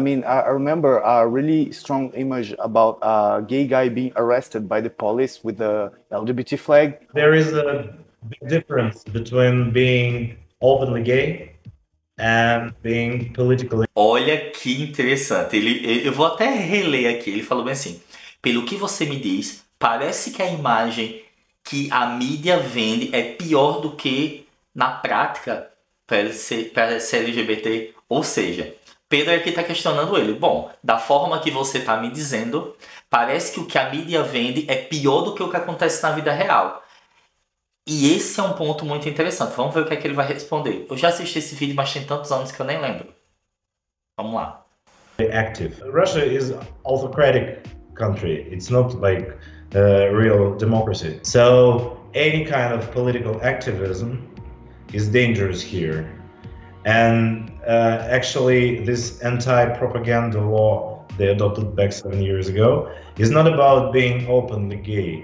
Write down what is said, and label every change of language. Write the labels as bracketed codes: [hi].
[en] I mean, I remember a really strong image about a gay guy being arrested by the police with the LGBT flag. There is a big difference between being openly gay and being politically. [pt] Olha que interessante. Eu vou até reler aqui. Ele falou bem assim. Pelo que você me diz, parece que a imagem que a mídia vende é pior do que na prática para ser LGBT. Ou seja, Pedro aqui está questionando ele. Bom, da forma que você está me dizendo, parece que o que a mídia vende é pior do que o que acontece na vida real. E esse é um ponto muito interessante. Vamos ver o que é que ele vai responder. Eu já assisti esse vídeo, mas tem tantos anos que eu nem lembro. Vamos lá. [en] Active. Russia is an autocratic country. It's not like real democracy. So any kind of political activism is dangerous here. And actually this anti-propaganda law they adopted back 7 years ago is not about being openly gay.